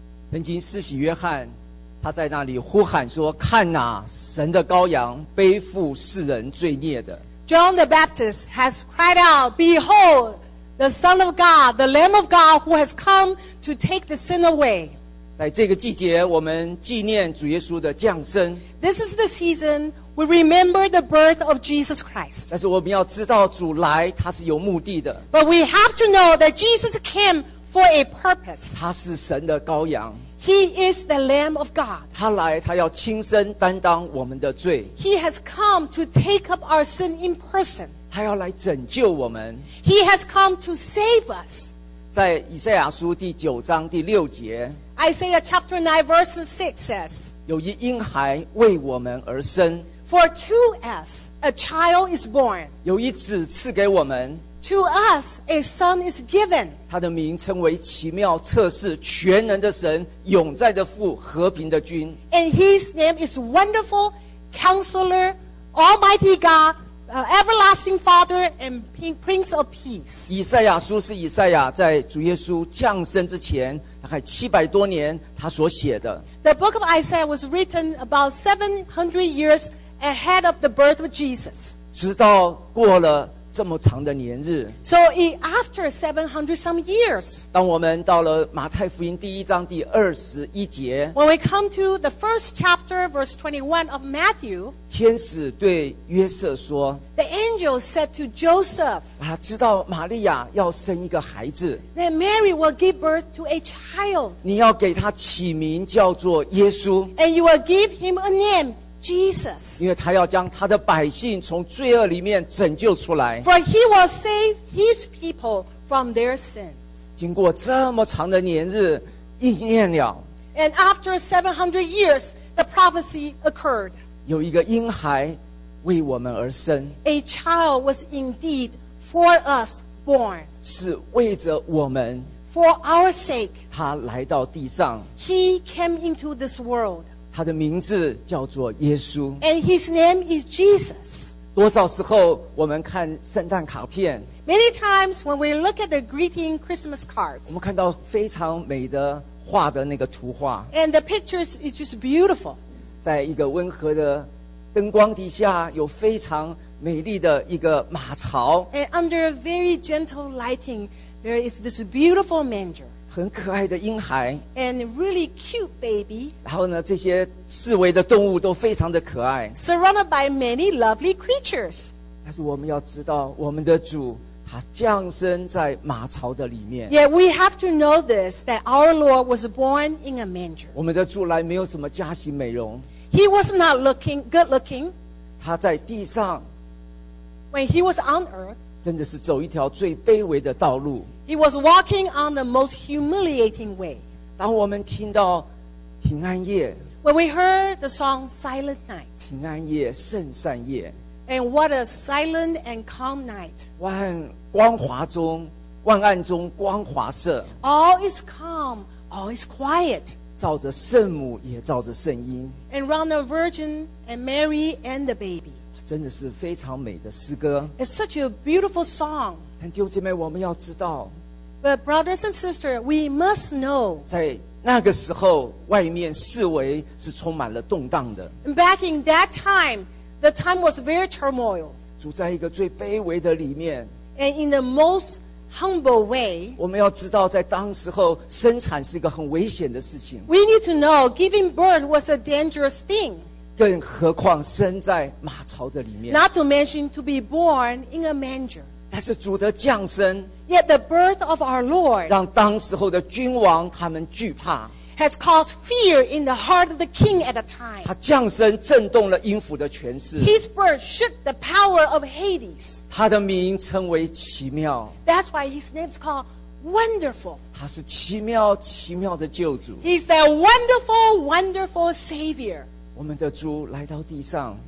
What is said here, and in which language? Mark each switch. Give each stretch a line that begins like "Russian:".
Chinese: 曾经施洗约翰他在那里呼喊说看哪神的羔羊背负世人罪孽的
English: John the Baptist has cried out Behold the Son of God the Lamb of God who has come to take the sin away
Chinese: 在这个季节我们纪念主耶稣的降生
English: This is the season we remember the birth of Jesus Christ
Chinese: 但是我们要知道主来他是有目的的
English: But we have to know that Jesus cameFor a purpose.
Chinese: 他是神的羔羊。
English: He is the Lamb of God.
Chinese: 他来，他要亲身担当我们的罪。
English: He has come to take up our sin in person.
Chinese: 他要来拯救我们。
English: He has come to save us.
Chinese: 在以赛亚书第九章第六节。
English: Isaiah chapter 9 verse 6 says.
Chinese: 有一婴孩为我们而生。
English: For to us a child is born.
Chinese: 有一子赐给我们。
English: To us, a son is given.
Chinese: 他的名称为奇妙测试全能的神永在的父和平的君
English: And his name is Wonderful Counselor, Almighty God, Everlasting Father, and Prince of Peace.
Chinese: 以赛亚书是以赛亚在主耶稣降生之前大概700多年他所写的
English: The book of Isaiah was written about 700 years ahead of the birth of Jesus.
Chinese: 直到过了这么长的年日
English: So after 700 some years
Chinese: 当我们到了马太福音第一章第二十一节
English: When we come to the first chapter verse 21 of Matthew
Chinese: 天使对约瑟说
English: The angel said to Joseph
Chinese: 他知道玛利亚要生一个孩子
English: That Mary will give birth to a child
Chinese: 你要给他起名叫做耶稣
English: And you will give him a nameJesus
Chinese: 因为他要将他的百姓从罪恶里面拯救出来
English: For he will save his people from their sins
Chinese: 经过这么长的年日应验了
English: And after 700 years the prophecy occurred
Chinese: 有一个婴孩为我们而生
English: A child was indeed for us born
Chinese: 是为着我们
English: For our sake
Chinese: 他来到地上
English: He came into this world
Chinese: 他的名字叫做耶稣
English: And his name is Jesus
Chinese: 多少时候我们看圣诞卡片
English: Many times when we look at the greeting Christmas cards
Chinese: 我们看到非常美的画的那个图画
English: And the pictures is just beautiful
Chinese: 在一个温和的灯光底下有非常美丽的一个马槽
English: And under a very gentle lighting there is this beautiful manger
Chinese: 很可爱的婴孩
English: and really cute baby
Chinese: 然后呢这些四维的动物都非常的可爱
English: surrounded by many lovely creatures
Chinese: 但是我们要知道我们的主他降生在马槽的里面
English: yeah we have to know this that our Lord was born in a manger
Chinese: 我们的主来没有什么加型美容
English: he was not looking good looking
Chinese: 他在地上
English: when he was on earth
Chinese: 真的是走一条最卑微的道路
English: He was walking on the most humiliating way.
Chinese: 当我们听到平安夜
English: When we heard the song Silent Night.
Chinese: 平安夜圣善夜
English: And what a silent and calm night.
Chinese: 万光华中万暗中光华色
English: All is calm. All is quiet.
Chinese: 照着圣母也照着圣婴
English: And around the virgin and Mary and the baby.
Chinese: 真的是非常美的诗歌
English: It's such a beautiful song.
Chinese: 但弟兄姐妹我们要知道
English: But brothers and sisters we must know
Chinese: 在那个时候外面四围是充满了动荡的
English: Back in that time the time was very turmoil
Chinese: 住在一个最卑微的里面
English: And in the most humble way
Chinese: 我们要知道在当时候生产是一个很危险的事情
English: We need to know giving birth was a dangerous thing
Chinese: 更何况生在马槽的里面
English: Not to mention to be born in a manger
Chinese: 但是主的降生
English: Yet the birth of our Lord
Chinese: 让当时候的君王他们惧怕
English: Has caused fear in the heart of the king at the time
Chinese: 他降生震动了阴府的权势
English: His birth shook the power of Hades
Chinese: 他的名称为奇妙
English: That's why his name is called Wonderful
Chinese: 他是奇妙奇妙的救主
English: He's a wonderful, wonderful Savior
Chinese: 我们的主来到地上